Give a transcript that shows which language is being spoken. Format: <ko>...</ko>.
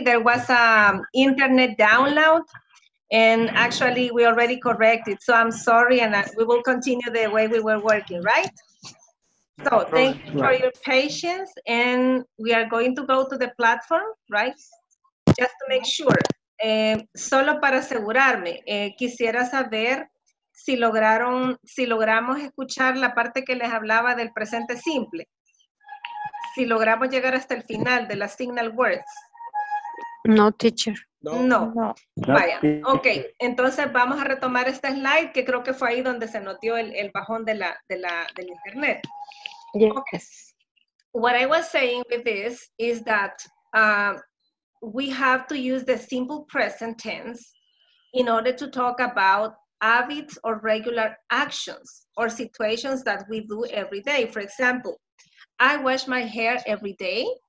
<en>There was an internet download, and actually we already corrected. So I'm sorry, and we will continue the way we were working, right? So thank you for your patience, and we are going to go to the platform, right? Just to make sure.</en> <es>Solo para asegurarme, quisiera saber si lograron, si logramos escuchar la parte que les hablaba del presente simple. Si logramos llegar hasta el final de las signal words.</es> <en>No, teacher.</en> <es>No. Vaya, ok. Entonces vamos a retomar esta slide que creo que fue ahí donde se notó el bajón de del internet.</es> <en>Yes. Okay. What I was saying with this is that we have to use the simple present tense in order to talk about habits or regular actions or situations that we do every day. For example, I wash my hair every day.</en>